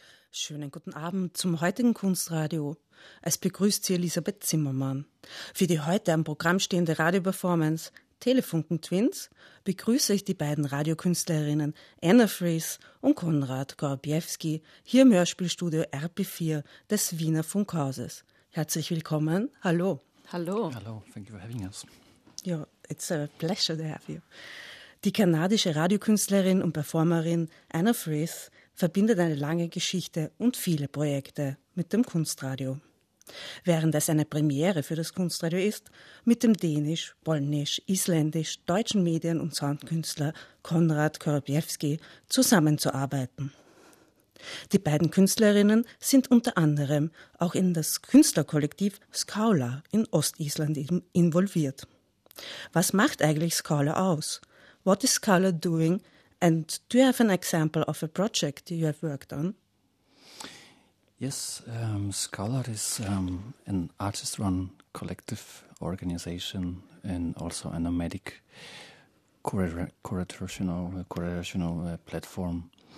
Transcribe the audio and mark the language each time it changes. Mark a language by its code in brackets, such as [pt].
[de] Schönen guten Abend zum heutigen Kunstradio. Es begrüßt Sie Elisabeth Zimmermann. Für die heute am Programm stehende Radioperformance Telefunken Twins begrüße ich die beiden Radiokünstlerinnen Anna Fries und Konrad Gorbiewski hier im Hörspielstudio RP4 des Wiener Funkhauses. Herzlich willkommen. Hallo. Hallo. [en] Hallo, thank you for having us. Yeah, it's a pleasure to have you. [de] Die kanadische Radiokünstlerin und Performerin Anna Fries verbindet eine lange Geschichte und viele Projekte mit dem Kunstradio. Während es eine Premiere für das Kunstradio ist, mit dem dänisch, polnisch, isländisch, deutschen Medien- und Soundkünstler Konrad Gorbiewski zusammenzuarbeiten. Die beiden Künstlerinnen sind unter anderem auch in das Künstlerkollektiv Skála in Ostisland involviert. Was macht eigentlich Skála aus? [en] What is Skála doing? And do you have an example of a project you have worked on? Yes, Skála is an artist-run collective organization and also a nomadic curatorial platform.